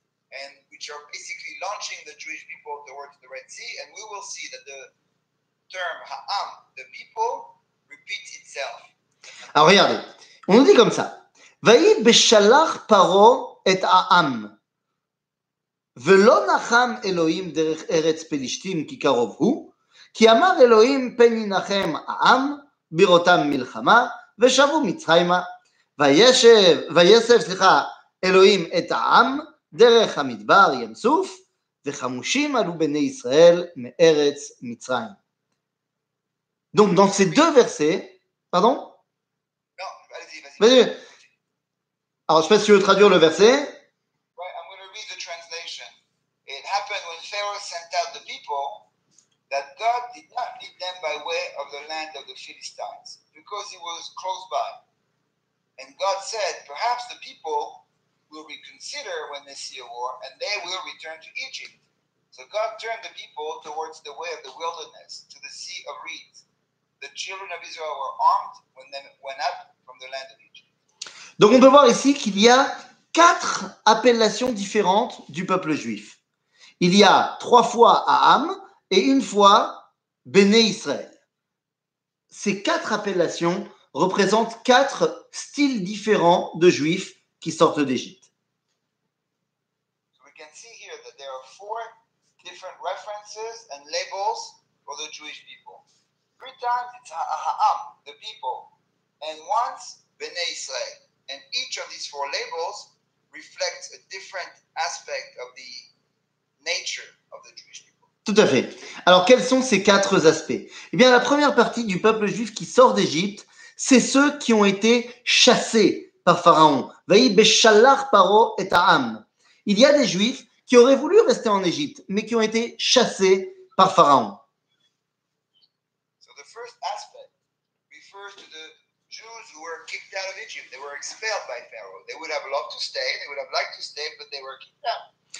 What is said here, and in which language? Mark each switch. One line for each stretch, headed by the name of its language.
English: And which are basically launching the Jewish people towards the Red Sea, and we will see that the term Ha'am, the people, repeats itself.
French: Alors regardez, on nous dit comme ça.
Hebrew: Vayi beshalach paro et Ha'am, velo nacham Elohim derech eretz pelishtim ki karov hu, ki amar Elohim peni nachem Ha'am, birotam milchama, veshavu mitzhaima, vayesef Elohim et Ha'am, דרך המדבר ים סוף וחמושים עלו בני ישראל מארץ מצרים.
French: Donc dans ces 2 versets, pardon? Non, vas-y. Alors je sais pas si tu veux traduire le verset.
English: Right, I'm going to read the translation. It happened when Pharaoh sent out the people that God did not lead them by way of the land of the Philistines because he was close by. And God said, perhaps the people will reconsider when they see a war, and they will return to Egypt. So God turned the people towards the way of the wilderness, to the sea of reeds. The children of Israel were armed when they went up from the land of Egypt.
French: Donc on peut voir ici qu'il y a quatre appellations différentes du peuple juif. Il y a trois fois Aham et une fois Béné Israël. Ces quatre appellations représentent quatre styles différents de juifs qui sortent d'Égypte.
English: We can see here that there are four different references and labels for the Jewish people. Three times it's Aham, the people, and once Béné Israël. And each of these four labels reflects a different aspect of the nature of the Jewish people.
French: Tout à fait. Alors, quels sont ces quatre aspects? Eh bien, la première partie du peuple juif qui sort d'Égypte, c'est ceux qui ont été chassés par Pharaon.
Hebrew: Vayi beshalar paro et ha'am.
French: Il y a des juifs qui auraient voulu rester en Égypte, mais qui ont été chassés par Pharaon.
English: So the first aspect refers to the Jews who were kicked out of Egypt. They were expelled by Pharaoh. They would have loved to stay. They would have liked to stay, but they were kicked out.